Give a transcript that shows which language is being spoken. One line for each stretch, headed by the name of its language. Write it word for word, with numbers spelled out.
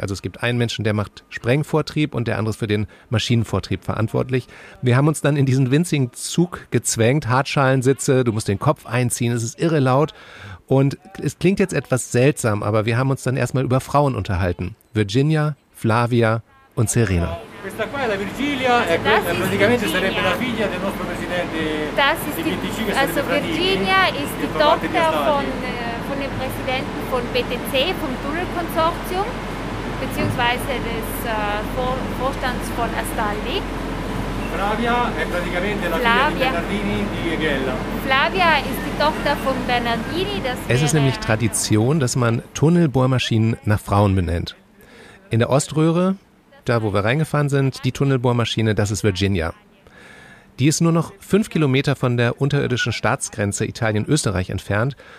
German: Also es gibt einen Menschen, der macht Sprengvortrieb und der andere ist für den Maschinenvortrieb verantwortlich. Wir haben uns dann in diesen winzigen Zug gezwängt, Hartschalensitze, du musst den Kopf einziehen, es ist irre laut. Und es klingt jetzt etwas seltsam, aber wir haben uns dann erstmal über Frauen unterhalten. Virginia, Flavia und Serena.
Italian: Questa qua è la Virgilia, e praticamente sarebbe la figlia del nostro presidente.
German: Das ist die, also Virginia ist die Tochter von von dem Präsidenten von B T C, vom Tunnelkonsortium, beziehungsweise des äh, Vor- Vorstands von Astaldi.
Italian: Flavia è praticamente la figlia di Bernardini di Eghella.
German: Flavia ist die Tochter von Bernardini. Das es ist nämlich Tradition, dass man Tunnelbohrmaschinen nach Frauen benennt. In der Oströhre, da wo wir reingefahren sind, die Tunnelbohrmaschine, das ist Virginia. Die ist nur noch fünf Kilometer von der unterirdischen Staatsgrenze Italien-Österreich entfernt.